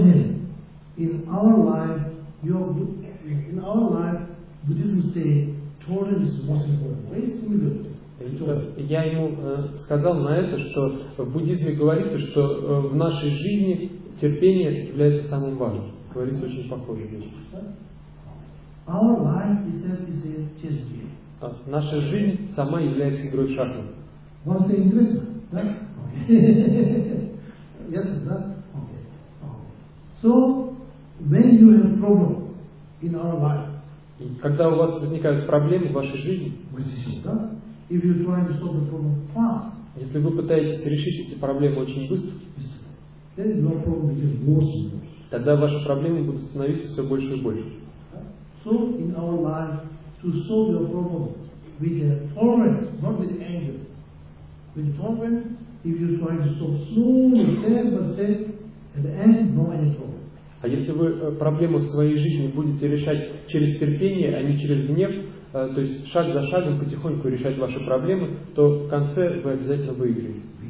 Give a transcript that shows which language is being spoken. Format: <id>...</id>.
<en>Yes, then I told him, in our life, Buddhism say, tolerance is the most important. Very similar.</en> <ru>Я ему сказал на это, что в буддизме говорится, что в нашей жизни терпение является самым важным. Говорится очень похожая вещь.</ru> <en>Our life itself is a chess game.</en> <ru>Наша жизнь сама является игрой в шахматы.</ru> <en>What's the English? Да? Okay. Yes, да? Okay. So, when you have problem in our life,</en> <ru>и когда у вас возникают проблемы в вашей жизни,</ru> <en>if you try to solve the problem fast,</en> <ru>если вы пытаетесь решить эти проблемы очень быстро,</ru> <en>then your problem becomes worse and worse.</en> <ru>Тогда ваши проблемы будут становиться все больше и больше.</ru> <en>So in our life, to solve your problem with a tolerance, not with anger, with tolerance, if you try to solve slowly, step by step, at the end, no any problem.</en> <ru>А если вы проблемы в своей жизни будете решать через терпение, а не через гнев, то есть шаг за шагом потихоньку решать ваши проблемы, то в конце вы обязательно выиграете.</ru>